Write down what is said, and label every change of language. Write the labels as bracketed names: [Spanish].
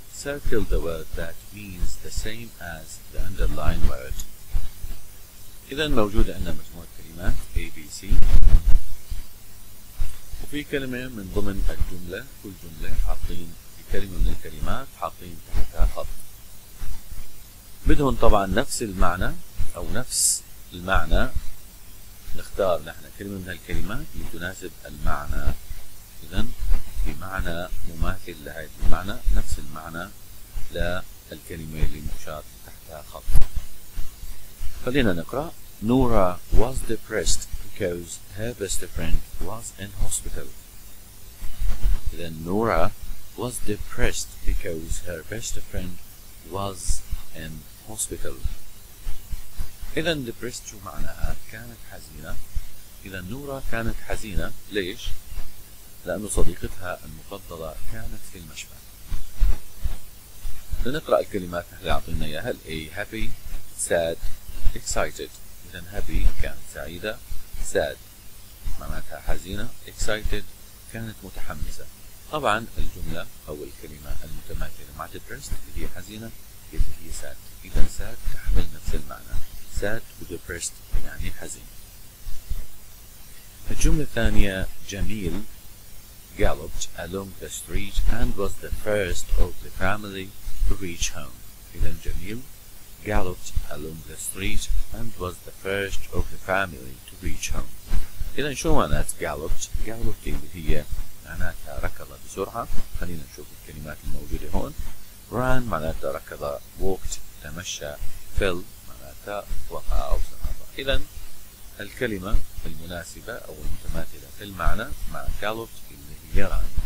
[English] Circle the word that means the same as the underlined word. [Arabic] إذن موجودة عندنا مجموعة كلمات A, B, C، وفي كلمة من ضمن الجملة، كل جملة حاطين كلمة من الكلمات حاطين تحتها خط. بدهم طبعا نفس المعنى أو نفس المعنى، نختار نحن كلمة من هالكلمات اللي تناسب المعنى. إذن في معنى مماثل لهذا المعنى، نفس المعنى للكلمة اللي مشاة تحتها خط. خلينا نقرأ. [English] Nora was depressed because her best friend was in hospital. Then Nora was depressed because her best friend was in hospital. [Arabic] إذن depressed شو معناها؟ كانت حزينة. إذن نورا كانت حزينة، ليش؟ لأن صديقتها المفضلة كانت في المشفى. لنقرأ الكلمات اللي أعطينا إياها. [English] A happy, sad, excited. [Arabic] إذن happy كانت سعيدة، sad معناتها حزينة، excited كانت متحمسة. طبعا الجملة أو الكلمة المتماثلة مع depressed هي حزينة يلي هي sad. إذن sad تحمل نفس المعنى، sad و depressed يعني حزين. الجملة الثانية. [English] جميل galloped along the street and was the first of the family to reach home. إذن جميل galloped along the street and was the first of the family to reach home. [Arabic] إذن شو معنات galloped؟ galloped اللي هي معناتها ركض بسرعة. خلينا نشوف الكلمات الموجودة هون. ran معناتها ركض، walked تمشى، fell معناتها وقع أو سقط. إذن الكلمة المناسبة أو المتماثلة في المعنى مع galloped اللي هي ران.